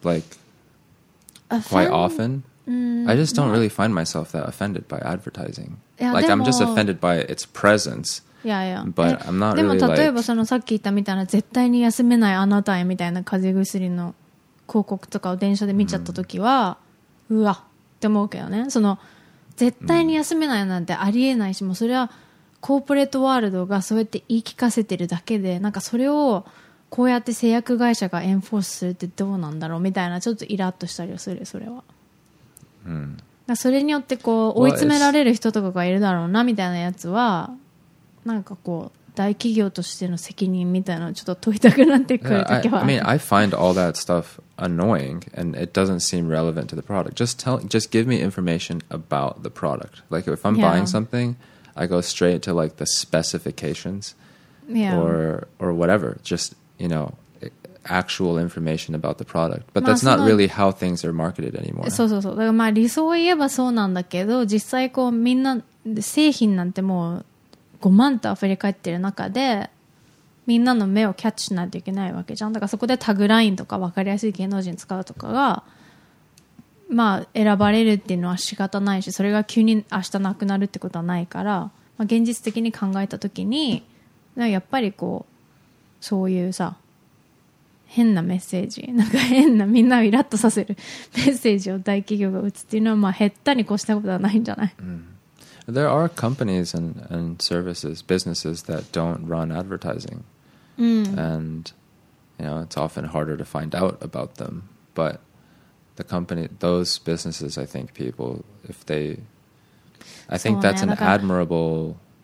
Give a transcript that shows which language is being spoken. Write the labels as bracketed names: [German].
[English] Like,quite often、I just don't really find myself that offended by advertising. Like I'm just offended by its presence. Yeah, yeah. But I'm not really like. [Japanese] でも例えばそのさっき言ったみたいな絶対に休めないあなたへみたいな風邪薬の広告とかを電車で見ちゃった時は、うわって思うけどね。その絶対に休めないなんてありえないし、もうそれはコーポレートワールドがそうやって言い聞かせてるだけで、なんかそれをこうやって製薬会社がエンフォースするってどうなんだろうみたいな、ちょっとイラッとしたりする、それは。だそれによってこう追い詰められる人とかがいるだろうなみたいなやつは、なんかこう大企業としての責任みたいなちょっと問いたくなってくるときは。 [English] I mean, I find all that stuff annoying and it doesn't seem relevant to the product. Just give me information about the product. Like if I'm buying something, I go straight to like the specifications or whatever. Justyou know, actual information about the product. But that's not really how things are marketed anymore. [Japanese] そうそうそう。だからまあ理想を言えばそうなんだけど、実際こうみんな製品なんてもう5万と溢れ返ってる中で、みんなの目をキャッチしないといけないわけじゃん。だからそこでタグラインとか分かりやすい芸能人使うとかが、まあ選ばれるっていうのは仕方ないし、それが急に明日なくなるってことはないから、まあ、現実的に考えたときに、やっぱりこう、そういうさ変なメッセージ、なんか変なみんなをイラッとさせるメッセージを大企業が打つっていうのは、まあ減ったに越したことはないんじゃない、 [English] There are companies and services, businesses that don't run advertising、and you know it's often harder to find out about them, but the company, those businesses, I think people, if they, I think that's an admirable